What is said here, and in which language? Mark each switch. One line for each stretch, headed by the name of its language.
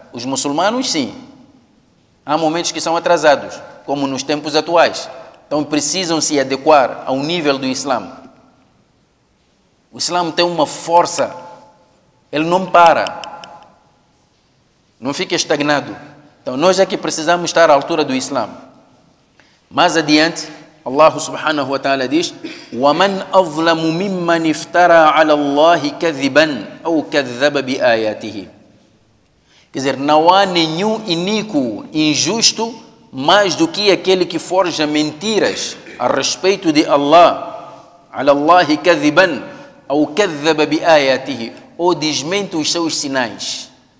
Portuguese: Os muçulmanos, sim. Há momentos que são atrasados, como nos tempos atuais. Então precisam se adequar ao nível do Islã. O Islã tem uma força. Ele não para. Não fica estagnado. Então nós é que precisamos estar à altura do Islã. Mais adiante, Allah subhanahu wa ta'ala diz:
Arabic: وَمَنْ أَظْلَمُ مِمَّنْ افْتَرَى عَلَى اللَّهِ كَذِبًا أَوْ كَذَّبَ بِآيَاتِهِ.
Portuguese: Quer dizer, não há nenhum iníquo, injusto, mais do que aquele que forja mentiras a respeito de Allah.
Arabic: عَلَى اللَّهِ كَذِبًا أَوْ كَذَّبَ بِآيَاتِهِ.
Portuguese: Ou desmente os seus sinais.